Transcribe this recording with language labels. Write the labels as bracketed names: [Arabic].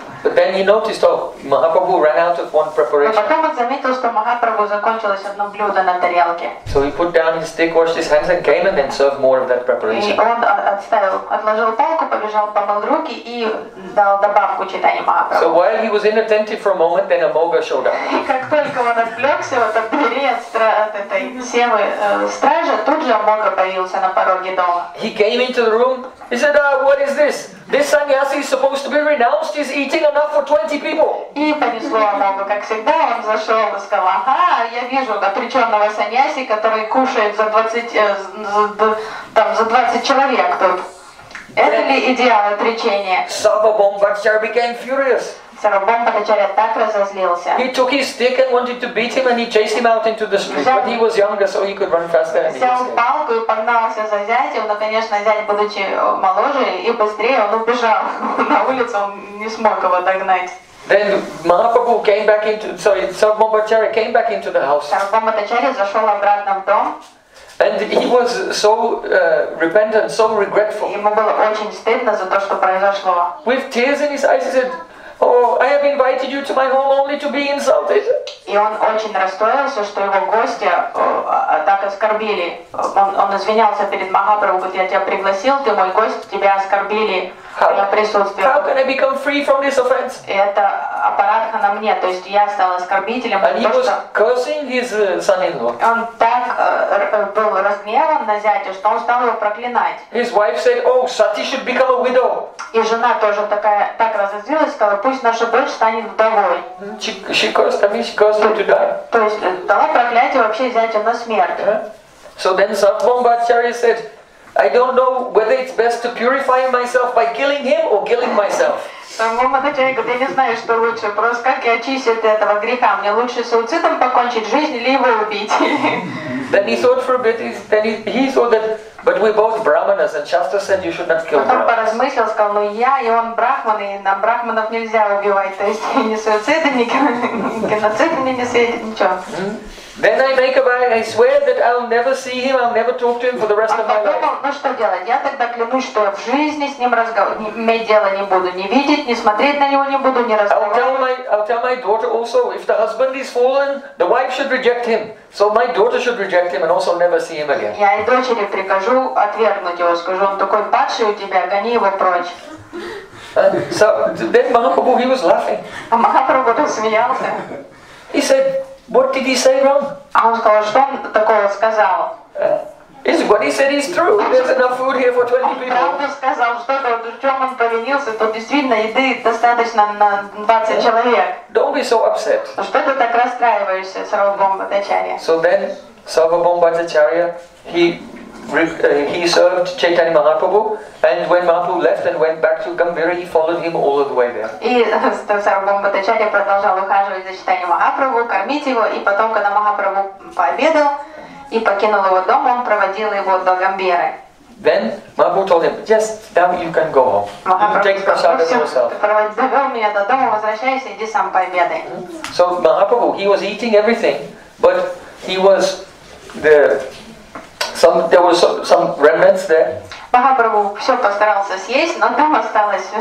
[English] But then he noticed, oh, Mahaprabhu ran out of one preparation. [Russian] Потом он заметил, что Махапрабху закончилось одно блюдо на тарелке. [English] So he put down his stick, washed his hands, and came and then served more of that preparation. [Russian] И он отставил, отложил палку, побежал, помыл руки и дал добавку читания Махапрабху. [English] So while he was inattentive for a moment, then Amogha showed up. [Russian] И как только он отвлекся, вот от двери от этой семы стража, тут же Амогха появился на пороге дома. [English] He came into the room. He said, what is this? This sannyasi is supposed to be renounced. He's eating enough for 20 people. [Russian] И понесло Амогху, как всегда, он зашел и сказал, ага, я вижу отреченного сannyasi, который кушает за 20 человек тут. Это ли идеал отречения? [English] Sarvabhauma Bhattacharya became furious. [Russian] Сарвабхаума Бхаттачарья так разозлился. [English] He took his stick and wanted to beat him, and he chased him out into the street. But he was younger, so he could run faster. [Russian] Взял палку и погнался за зятем, но, конечно, зять, будучи моложе и быстрее, он убежал на улицу, он не смог его догнать. [English] Then Mahaprabhu came back into, sorry, Sarvabhauma Bhattacharya came back into the house. [Russian] Сарвабхаума Бхаттачарья зашел обратно в дом. [English] And he was so repentant, so regretful. [Russian] Ему было очень стыдно за то, что произошло. [English] With tears in his eyes, he said, oh, I have invited you to my home only to be insulted. [Russian] И он очень расстроился, что его гости так оскорбили. Он извинялся перед Махапрабху, говорит, я тебя пригласил, ты мой гость, тебя оскорбили в моем присутствии. [English] How can I become free from this offense? [Russian] Это аппаратха на мне, то есть я стал оскорбителем. [English] And he was cursing his son-in-law. [Russian] Он так был разгневан на зятя, что он стал его проклинать. [English] His wife said, oh, Sati should become a widow. [Russian] И жена тоже такая так разозлилась, сказала, пусть наша дочь станет вдовой. [English] She cursed him, she cursed him to die. [Russian] То есть дала проклятие вообще зятю на смерть. [English] So then Sarvabhauma Bhattacharya said, I don't know whether it's best to purify myself by killing him or killing myself. [Russian] Сарвабхаума Бхаттачарья говорит, я не знаю, что лучше, просто как я очистить от этого греха, мне лучше суицидом покончить жизнь или его убить. [English] Then he thought for a bit, he thought that, but we're both brahmanas, and Shastra said you should not kill brahmanas. [Russian] Потом поразмыслил, сказал, ну я и он брахманы, и на брахманов нельзя убивать, то есть не суициды, не геноциды, не суициды, ничего. [English] Then I make a vow, I swear that I'll never see him, I'll never talk to him for the rest of my life. [Russian] Ну что делать? Я тогда клянусь, что я в жизни с ним иметь дело не буду, ни видеть, ни смотреть на него не буду, ни разговаривать. [English] I'll tell my daughter also, if the husband is fallen, the wife should reject him. So my daughter should reject him and also never see him again. [Russian] Я и дочери прикажу отвергнуть его, скажу, он такой падший у тебя, гони его прочь. [English] So then Mahaprabhu, he was laughing. [Russian] А Махапрабху так смеялся. [English] He said, what did he say wrong? [Russian] А он сказал, что он такого сказал? [English] What he said is true. There's enough food here for 20 people. [Russian] Он правду сказал, что-то, в чем он повинился, то действительно еды достаточно на 20 человек. [English] Don't be so upset. [Russian] Что ты так расстраиваешься, Сарвабхаумбхачарья? [English] So then, Сарвабхаумбхачарья, he served Chaitanya Mahaprabhu, and when Mahaprabhu left and went back to Gambhira, he followed him all the way there. [Russian] И Сарвабхаумбхачарья продолжал ухаживать за Чайтани Махапрабху, кормить его, и потом, когда Махапрабху пообедал и покинул его дом, он проводил его до Гамбиры. [English] Then Mahaprabhu told him, just now you can go home. You take prasada yourself. [Russian] Довел меня до дома, возвращайся, иди сам пообедай. [English] So Mahaprabhu, he was eating everything, but he was there. There were some remnants there. [Russian] Махапрабху все постарался съесть, но там осталось.